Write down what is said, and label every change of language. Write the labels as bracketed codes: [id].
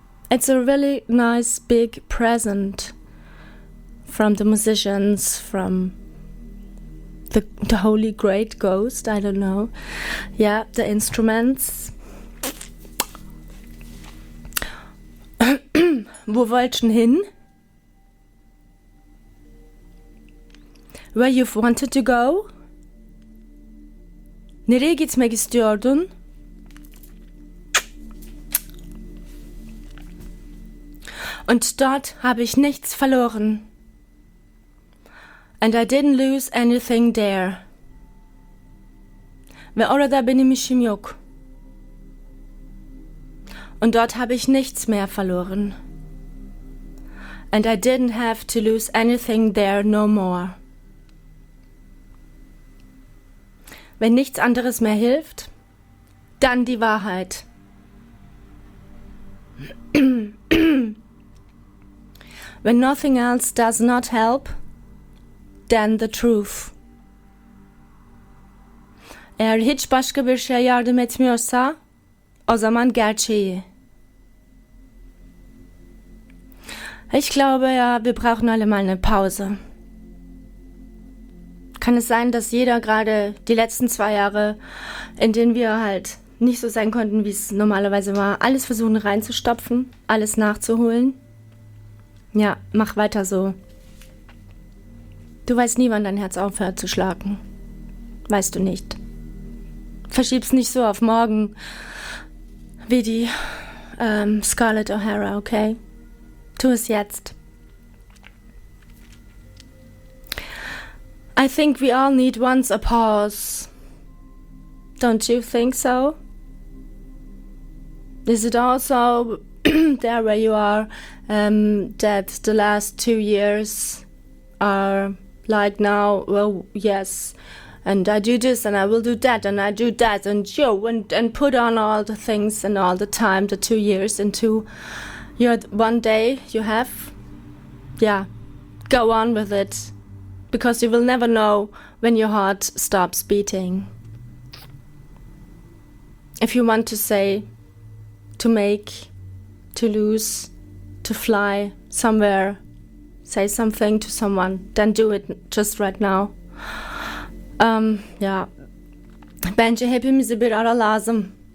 [en] It's a really nice big present from the musicians, from the holy great ghost, I don't know. Yeah, the instruments. [de] Wo wollt schon hin? [en] Where you've wanted to go? [tr] Nereye gitmek istiyordun? [de] Und dort habe ich nichts verloren. [en] And I didn't lose anything there. [tr] Ve orada benim işim yok. [de] Und dort habe ich nichts mehr verloren. [en] And I didn't have to lose anything there no more. [de] Wenn nichts anderes mehr hilft, dann die Wahrheit. [en] When nothing else does not help, then the truth. [tr] Eğer hiç başka bir şey yardım etmiyorsa, o zaman gerçeği. [de] Ich glaube ja, wir brauchen alle mal eine Pause. Kann es sein, dass jeder gerade die letzten 2 Jahre, in denen wir halt nicht so sein konnten, wie es normalerweise war, alles versuchen reinzustopfen, alles nachzuholen? Ja, mach weiter so. Du weißt nie, wann dein Herz aufhört zu schlagen. Weißt du nicht. Verschieb's nicht so auf morgen wie die Scarlett O'Hara, okay? Tu es jetzt. [en] I think we all need once a pause. Don't you think so? Is it also there where you are that the last 2 years are like now? Well, yes. And I do this and I will do that and I do that and yo, and put on all the things and all the time, the 2 years into your one day you have. Yeah, go on with it. Because you will never know when your heart stops beating. If you want to say, to make, to lose, to fly somewhere, say something to someone, then do it just right now. Ya. [tr] Bence hepimize bir ara lazım.